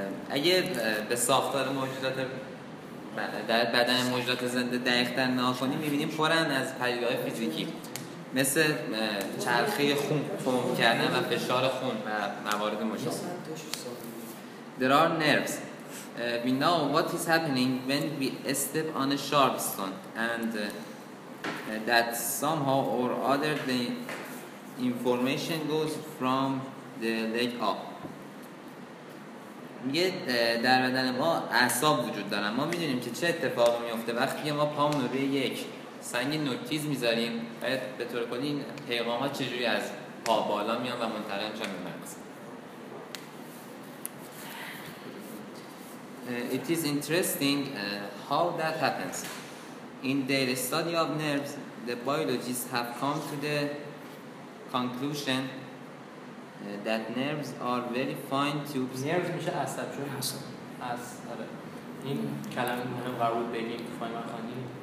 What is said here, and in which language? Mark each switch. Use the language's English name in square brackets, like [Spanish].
[Persian] اگه به ساختار موجودات در بدن موجودات زنده دقیق تر نگاه کنیم میبینیم پرن از پدیده‌های فیزیکی مثل چرخه خون پمپ کردن و فشار خون و موارد مشابه. [English] There are nerves. We know what is happening when we step on a sharp stone and that somehow or other the information goes from the leg up. [Persian] میگه در بدن ما اعصاب وجود دارن، ما میدونیم که چه اتفاق میفته وقتی ما پامون روی یک سنگ نوکتیز میذاریم، باید به طور کلی این پیغام ها چجوری از پا بالا میان و منتقل میشن به مغز. [English] It is interesting how that happens. In their study of nerves, the biologists have come to the conclusion that nerves are very fine tubes. [Persian] Nerves میشه عصب، چون عصب از آره این کلمه مهم قرار بگیم تو فایل مخانی